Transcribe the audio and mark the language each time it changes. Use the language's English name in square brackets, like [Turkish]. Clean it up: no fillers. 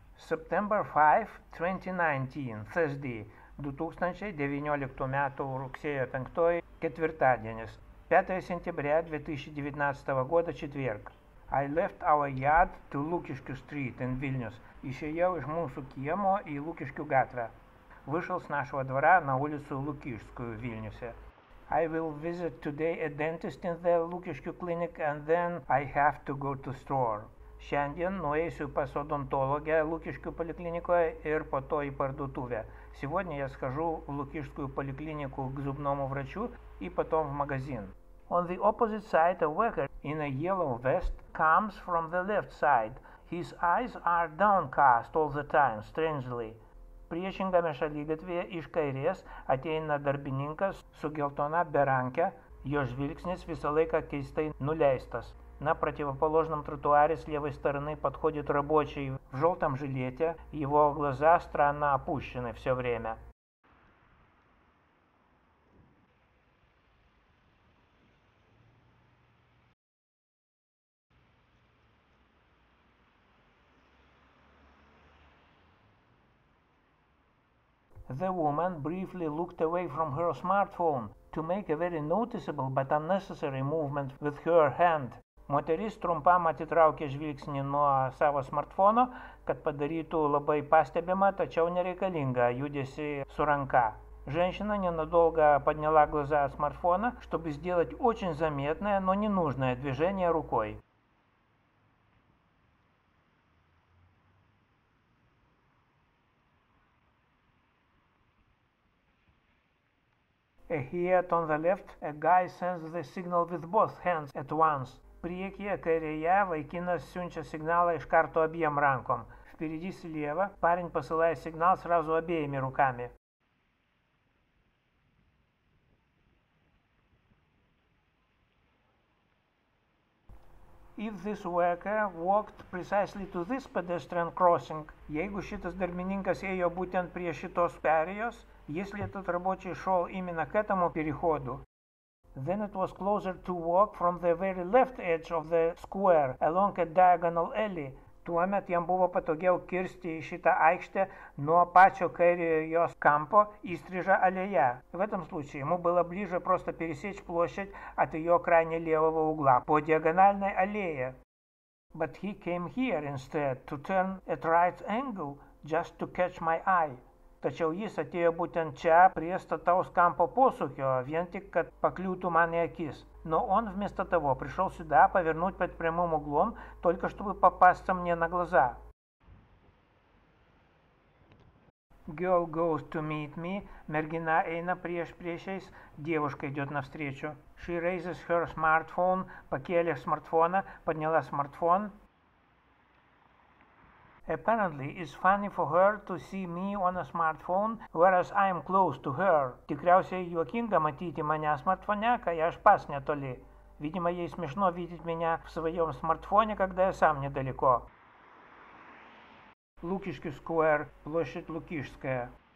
[English] September 5, 2019, Thursday, [Lithuanian] 2019 metų rugsėjo 5 ketvirtadienis, 5 sentybrė 2019 [Russian] года четверг. [English] I left our yard to Lukiškių Street in Vilnius. [Lithuanian] Išėjau iš mūsų kiemo į Lukiškių gatvę. [Russian] Вышел с нашего двора на улицу Лукишскую в Вильнюсе. [English] I will visit today a dentist in the Lukiškių clinic and then I have to go to store. [Lithuanian] Šiandien nueisiu pas odontologę Lukiškių poliklinikoje ir po to į parduotuvę. [Russian] Сегодня я схожу в Лукишскую поликлинику к зубному врачу и потом в магазин. [English] On the opposite side, a worker in a yellow vest comes from the left side. His eyes are downcast all the time, strangely. [Lithuanian] Priešingame šaligatvėje iš kairės ateina darbininkas su geltona berankė, jo žvilgsnis visą laiką keistai nuleistas. [Russian] На противоположном тротуаре с левой стороны подходит рабочий в желтом жилете, его глаза странно опущены все время. [English] The woman briefly looked away from her smartphone to make a very noticeable but unnecessary movement with her hand. [Lithuanian] Moteris trumpam atitraukė žvilgsnį nuo savo smartfono, kad padarytų labai pastebimą, tačiau nereikalingą judesį su ranka. [Russian] Женщина ненадолго подняла глаза от смартфона, чтобы сделать очень заметное, но ненужное движение рукой. [English] Ahead on the left, a guy sends the signal with both hands at once. [Lithuanian] Priekyje, kairėje, vaikinas siunčia signalą iš karto abiem rankom. [Russian] Впереди слева, парень посылает сигнал сразу обеими руками. [English] If this worker walked precisely to this pedestrian crossing, [Lithuanian] jeigu šitas darbininkas ėjo būtent prie šitos perėjos, [Russian] если этот рабочий шел именно к этому переходу, [English] then it was closer to walk from the very left edge of the square along a diagonal alley. [Lithuanian] Tuomet jam buvo patogiau kirsti šitą aikštę nuo pačio kairiojo jos kampo įstrižą alėją. [Russian] В этом случае ему было ближе просто пересечь площадь от ее крайне левого угла по диагональной аллее. [English] But he came here instead to turn at right angle just to catch my eye. [Lithuanian] Tačiau jis atėjo būtent čia prie stataus kampo posūkio, vien tik, kad pakliūtų man į akis. [Russian] Но он вместо того пришел сюда повернуть под прямым углом, только чтобы попасться мне на глаза. [English] Girl goes to meet me. [Lithuanian] Мергина эйна прешпрешейс. [Russian] Девушка идет навстречу. [English] She raises her smartphone. Покеля смартфона. [Russian] Подняла смартфон. [English] Apparently, it's funny for her to see me on a smartphone, whereas I'm close to her. [Lithuanian] Tikriausiai juokinga matyti mane smartfone, kai aš pas netoli. [Russian] Видимо, ей смешно видеть меня в своем смартфоне, когда я сам недалеко. Лукишский сквер, площадь Лукишская.